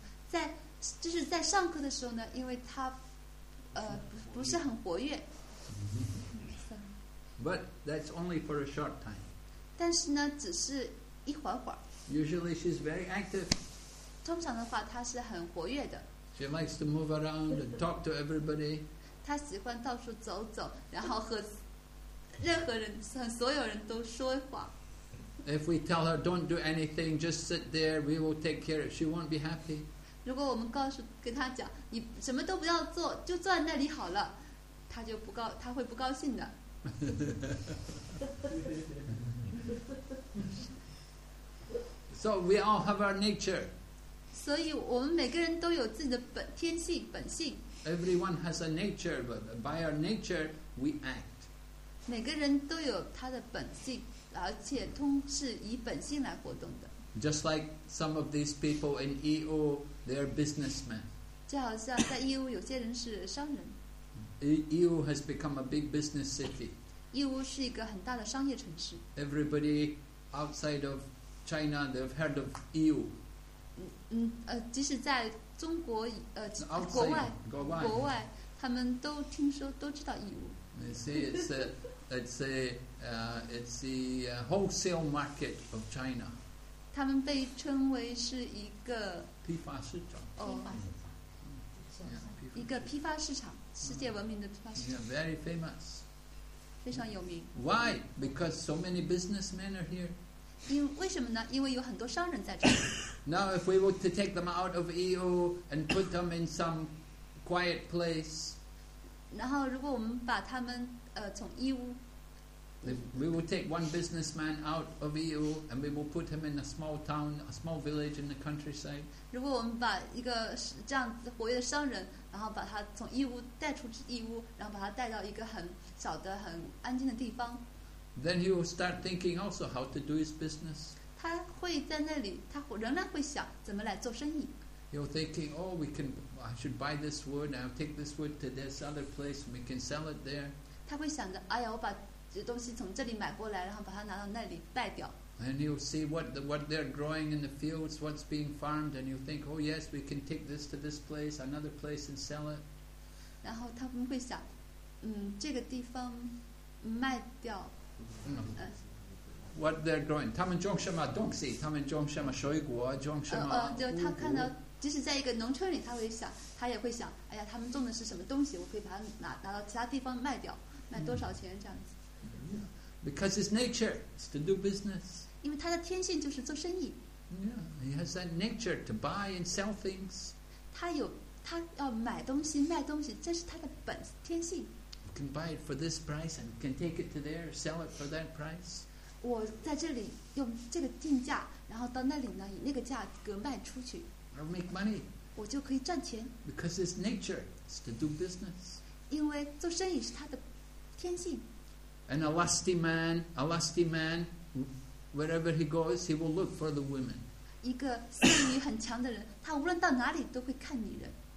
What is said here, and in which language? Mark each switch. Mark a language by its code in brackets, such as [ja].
[zh] 在上课的时候呢，因为他不是很活跃。 [en] But that's only for a short time. [zh] 但是呢，只是一会儿。 [en] Usually, she's very active. [zh] 通常的话，她是很活跃的。 [en] She likes to move around and talk to everybody. [zh] 她喜欢到处走走，然后和任何人、和所有人都说话。 [en] If we tell her don't do anything, just sit there, we will take care of. She won't be happy. [zh] 如果我们跟她讲你什么都不要做，就坐在那里好了，她就不高，她会不高兴的。 [en] So we all have our nature. [zh] 所以我们每个人都有自己的天性本性。 [en] Everyone has a nature, but by our nature we act. [zh] 每个人都有他的本性，而且通是以本性来活动的。 [en] Just like some of these people in EU, they are businessmen. [zh] 就好像在 EU 有些人是商人。 [en] EU has become a big business city. [zh] EU 是一个很大的商业城市。 [en] Everybody outside of China, they've heard of EU. [zh] 即使在中国国外他们都听说都知道义乌。 [en] They say it's the wholesale market of China. [zh] 他们被称为是一个批发市场。一个批发市场，世界闻名的批发市场。 [en] Yeah, very famous. [zh] 非常有名。 [en] Why? Because so many businessmen are here. [zh] 为什么呢？因为有很多商人在这里。 [en] Now, if we were to take them out of EU and put them in some quiet place, [zh] 然后如果我们把他们从EU [en] We will take one businessman out of EU and we will put him in a small town, a small village in the countryside. [zh] 如果我们把一个这样活跃的商人，然后把他从义乌带出义乌，然后把他带到一个很小的、很安静的地方。 [en] Then he will start thinking also how to do his business. [zh] 他会在那里，他仍然会想怎么来做生意。 [en] You're thinking, oh, we can. I should buy this wood. I'll take this wood to this other place, and we can sell it there. [zh] 他会想着，哎呀，我把这东西从这里买过来，然后把它拿到那里卖掉。 [en] And you'll see what they're growing in the fields, what's being farmed, and you think, oh yes, we can take this to this place, another place, and sell it. [zh] 然后他们会想，这个地方卖掉。 [en] What they're growing. [zh] 他们种什么东西？他们种什么水果？种什么？就他看到。即使在一个农村里，他会想，他也会想，哎呀，他们种的是什么东西？我可以把它拿到其他地方卖掉，卖多少钱？这样子。 [en] Because his nature is to do business. [zh] 因为他的天性就是做生意。 [en] Yeah, he has that nature to buy and sell things. [zh] 他要买东西卖东西，这是他的本天性。 [en] You can buy it for this price and can take it to there, sell it for that price. [zh] 我在这里用这个定价，然后到那里呢，以那个价格卖出去。 [en] I'll make money. [zh] 我就可以赚钱。 [en] Because his nature is to do business. [zh] 因为做生意是他的天性。 [en] And a lusty man, wherever he goes, he will look for the women. [zh] 一个色欲很强的人，他无论到哪里都会看女人。